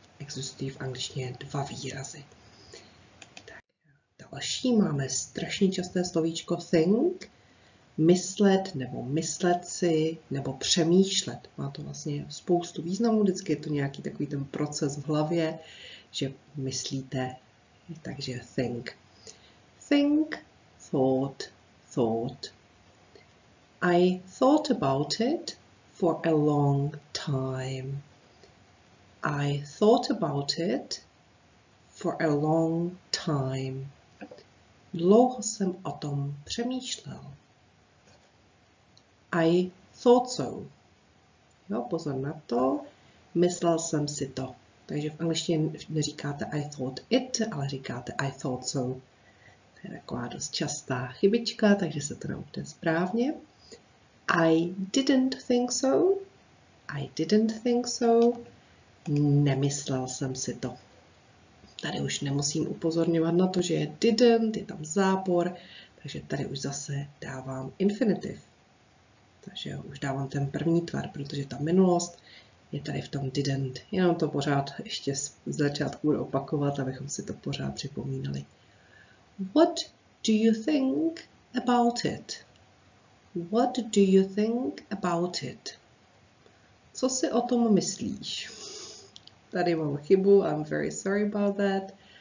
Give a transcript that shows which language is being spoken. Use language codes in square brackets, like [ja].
[cs] Existují v angličtině dva výrazy. Tak další máme strašně časté slovíčko think, myslet nebo myslet si, nebo přemýšlet. Má to vlastně spoustu významů, vždycky je to nějaký takový ten proces v hlavě, že myslíte, takže think. [en] Think, thought, thought. I thought about it for a long time. I thought about it for a long time. [cs] Dlouho jsem o tom přemýšlel. [en] I thought so. [cs] Jo, pozor na to. Myslel jsem si to. Takže v angličtině neříkáte [en] I thought it, [cs] ale říkáte [en] I thought so. [cs] To je taková dost častá chybička, takže se to naučte správně. [en] I didn't think so. I didn't think so. [cs] Nemyslel jsem si to. Tady už nemusím upozorňovat na to, že je didn't, je tam zápor, takže tady už zase dávám infinitiv. Takže už dávám ten první tvar, protože ta minulost je tady v tom didn't. Jenom to pořád ještě z začátku budu opakovat, abychom si to pořád připomínali. [en] What do you think about it? What do you think about it? [cs] Co si o tom myslíš? Tady mám chybu, [en] I'm very sorry about that.